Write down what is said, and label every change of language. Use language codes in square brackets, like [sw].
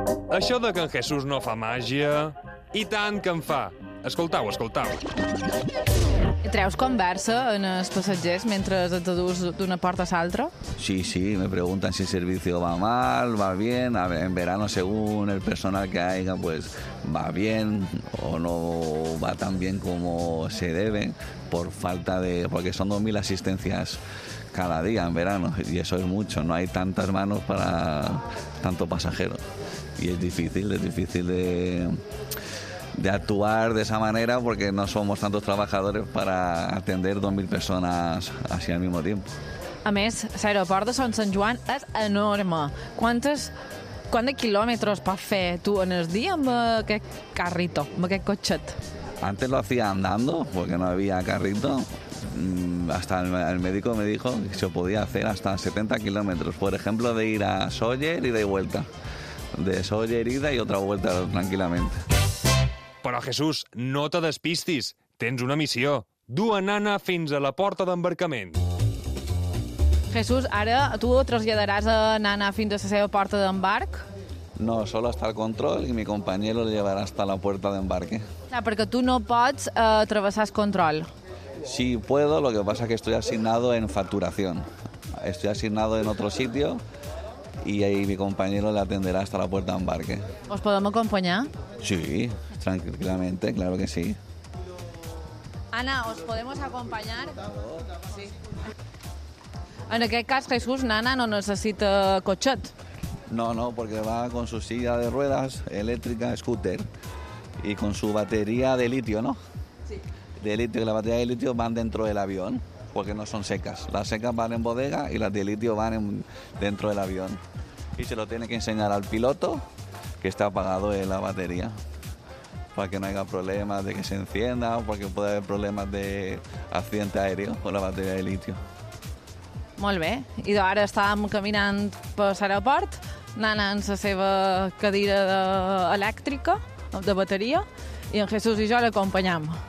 [ca] Això de que en Jesús no fa màgia, i tant que en fa. Escoltau. ¿Treus conversa en els passatgers mentre et dus d'una porta a l'altra? [es] Sí, me preguntan si el servicio va mal, va bien. A ver, en verano, según el personal que haya, pues va bien o no va tan bien como se debe, por falta de... porque son 2.000 asistencias cada día en verano, y eso es mucho. No hay tantas manos para tanto pasajero. Y es difícil de actuar de esa manera porque no somos tantos trabajadores para atender 2.000 personas así al mismo tiempo. [ca] A més, l'aeroport de Sant Joan és enorme. Quants quilòmetres pots fer tu en el dia amb aquest carrito, amb aquest cotxet? [es] Antes lo hacía andando, porque no había carrito. Hasta el médico me dijo que se podía hacer hasta 70 kilómetros, por ejemplo, de ir a Sóller y de vuelta. De Sóller ida y otra vuelta tranquilamente. [ca] Però Jesús, no te despistis. Tens una missió. Du a Nana fins a la porta d'embarcament. Jesús, ara tu traslladaràs a Nana fins a la seva porta d'embarc? [es] No, solo hasta el control y mi compañero lo llevará hasta la puerta de embarque. [ca] Ah, perquè tu no pots travessar el control. [es] Sí, puedo, lo que pasa es que estoy asignado en facturación. Estoy asignado en otro sitio y ahí mi compañero le atenderá hasta la puerta de embarque. ¿Os podemos acompañar? Sí, tranquilamente, claro que sí. Ana, ¿os podemos acompañar? Sí. [ca] En aquest cas, Jesús, Nana no necessita cotxet. [es] No, no, porque va con su silla de ruedas eléctrica, scooter, y con su batería de litio, ¿no? Sí. De litio, la batería de litio van dentro del avión, porque no son secas. Las secas van en bodega y las de litio van en, dentro del avión. Y se lo tiene que enseñar al piloto que está apagado en la batería, para que no haya problemas de que se encienda o porque puede haber problemas de accidente aéreo con la batería de litio. [ca] Molt bé. I ara estàvem caminant per l'aeroport, anant en la seva cadira elèctrica, de bateria, i en Jesús i jo l'acompanyam.